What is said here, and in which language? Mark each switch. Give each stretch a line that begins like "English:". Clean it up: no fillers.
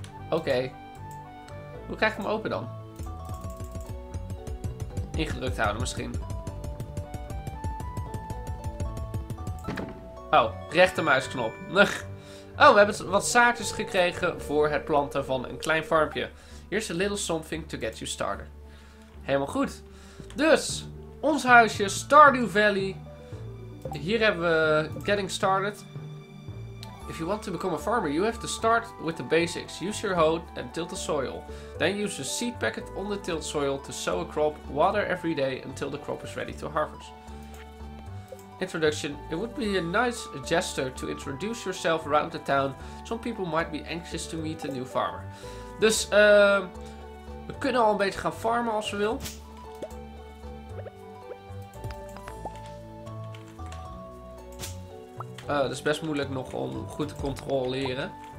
Dutch: Oké. Hoe krijg ik hem open dan? ingedrukt houden misschien. Oh, rechtermuisknop. Oh, we hebben wat zaadjes gekregen voor het planten van een klein farmpje.
English: Here's a little something to get you started.
Dutch: Helemaal goed. Dus, ons huisje, Stardew Valley. Hier hebben we getting started.
English: If you want to become a farmer, you have to start with the basics. Use your hoe and till the soil. Then use a seed packet on the tilled soil to sow a crop. Water every day until the crop is ready to harvest. Introduction. It would be a nice gesture to introduce yourself around the town. Some people might be anxious to meet a new farmer.
Dutch: Dus we kunnen al een beetje gaan farmen als we willen. Dat is best moeilijk nog om goed te controleren.